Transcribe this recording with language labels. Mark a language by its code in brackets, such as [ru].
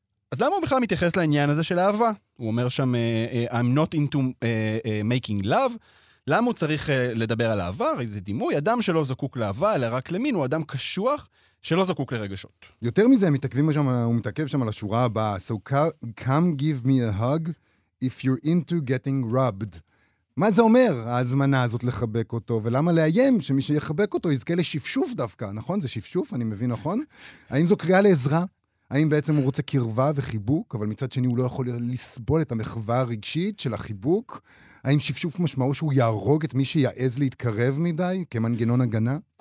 [he] אז למה הוא בכלל מתייחס לעניין הזה של אהבה? הוא אומר שם, [en] I'm not into making love, [he] למה הוא צריך לדבר על אהבה? הרי זה דימוי, אדם שלא זקוק לאהבה, אלא רק למין, הוא אדם קשוח, שלא זקוק לרגשות. יותר מזה, הם מתעכבים שם, הוא מתעכב שם על השורה הבאה. [en] So come give me a hug if you're into getting rubbed. [he] מה זה אומר, ההזמנה הזאת לחבק אותו? ולמה לאיים שמי שיחבק אותו יזכה לשפשוף דווקא? נכון? זה שפשוף, אני מבין, נכון? האם זו קריאה לעזרה? האם בעצם הוא רוצה קרבה וחיבוק, אבל מצד שני הוא לא יכול לסבול את המחווה הרגשית של החיבוק? האם שפשוף משמעו שהוא יהרוג את מי שיעז להתקרב מדי כמנגנון הגנה?